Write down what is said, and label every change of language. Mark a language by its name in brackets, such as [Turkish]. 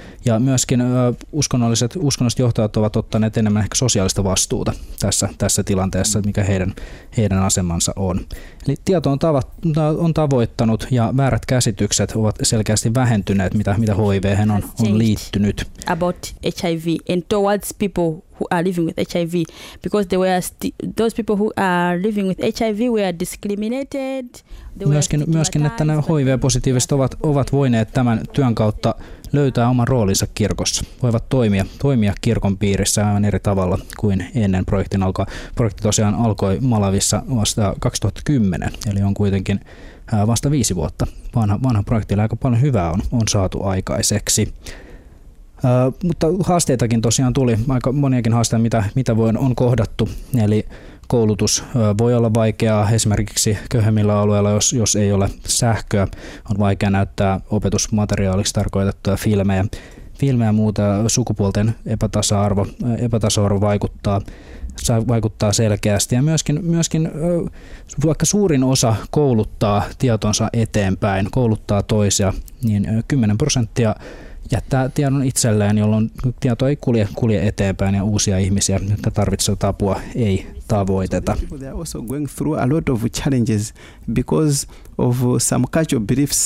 [Finnish] Ja myöskin uskonnolliset johtajat ovat ottaneet enemmän ehkä sosiaalista vastuuta tässä tilanteessa, mikä heidän asemansa on. Eli tieto on tavoittanut ja väärät käsitykset ovat selkeästi vähentyneet, mitä HIV:hen on liittynyt. [English] About HIV and towards people who are living with HIV, because they were those people who are living with HIV were discriminated. [Finnish] Myöskin että nämä HIV-positiiviset ovat voineet tämän työn kautta löytää oman roolinsa kirkossa. Voivat toimia kirkon piirissä aivan eri tavalla kuin ennen projektin alkoa. Projekti tosiaan alkoi Malavissa vasta 2010, eli on kuitenkin vasta 5 vuotta. Vanha projektilla aika paljon hyvää on saatu aikaiseksi. Mutta haasteitakin tosiaan tuli, aika moniakin haasteita, mitä on kohdattu. Eli koulutus voi olla vaikeaa esimerkiksi köyhemmillä alueilla, jos ei ole sähköä. On vaikea näyttää opetusmateriaaliksi tarkoitettuja filmejä ja muuta. Sukupuolten epätasa-arvo vaikuttaa selkeästi. Ja myöskin vaikka suurin osa kouluttaa tietonsa eteenpäin, toisia, niin 10% jättää tiedon itselleen, jolloin tieto ei kulje eteenpäin ja uusia ihmisiä, jotka tarvitsevat apua, ei tavoiteta. [English] They are also going through a lot of challenges because of some cultural beliefs.